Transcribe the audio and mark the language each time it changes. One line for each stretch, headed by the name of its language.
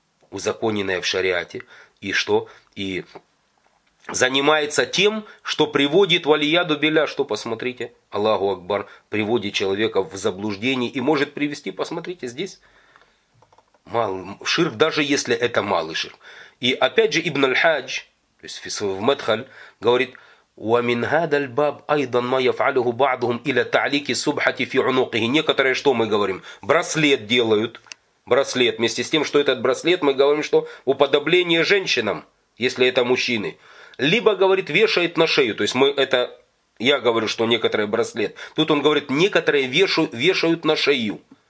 Russian: Узаконенное в шариате. И что? И занимается тем, что приводит валия дубеля, что, посмотрите, Аллаху Акбар, приводит человека в заблуждение и может привести, посмотрите, здесь малый ширк, даже если это малый ширк. И опять же Ибн аль-Хадж, то есть в Медхаль, говорит,
Arabic: وَمِنْ هَذَا الْبَابِ أَيْضًا مَا يَفْعَلُهُ بَعْضُهُمْ إِلَى تَعْلِيكِ سُبْحَةِ فِي عُنُقِهِ.
Russian: Некоторые, что мы говорим, браслет делают, браслет, вместе с тем, что этот браслет, мы говорим, что уподобление женщинам, если это мужчины. Либо, говорит, вешает на шею. То есть мы это, я говорю, что некоторые браслет. Тут он говорит, некоторые вешают на шею.